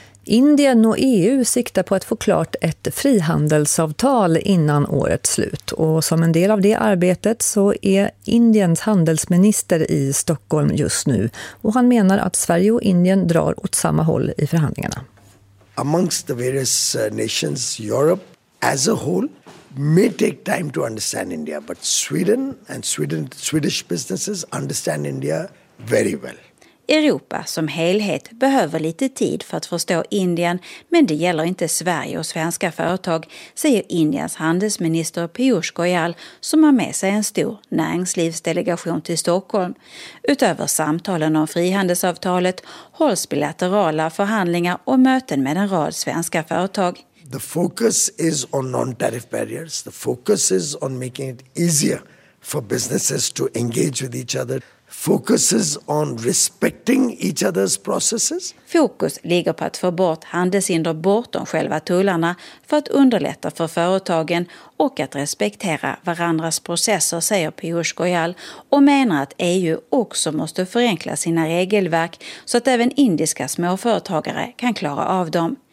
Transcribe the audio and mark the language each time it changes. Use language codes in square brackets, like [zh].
[sv] Indien och EU siktar på att få klart ett frihandelsavtal innan årets slut. Och som en del av det arbetet så är Indiens handelsminister i Stockholm just nu. Och han menar att Sverige och Indien drar åt samma håll i förhandlingarna. [en] Amongst the various nations, Europe as a whole may take time to understand India, but Sweden and Swedish businesses understand India very well. [sv] Europa som helhet behöver lite tid för att förstå Indien, men det gäller inte Sverige och svenska företag, säger Indiens handelsminister Piyush Goyal, som har med sig en stor näringslivsdelegation till Stockholm. Utöver samtalen om frihandelsavtalet hålls bilaterala förhandlingar och möten med en rad svenska företag. [en] The focus is on non-tariff barriers. The focus is on making it easier for businesses to engage with each other. Focuses on respecting each other's processes. [sv] Fokus ligger på att få bort handelshinder bortom själva tullarna för att underlätta för företagen och att respektera varandras processer, säger Piyush Goyal, och menar att EU också måste förenkla sina regelverk så att även indiska småföretagare kan klara av dem.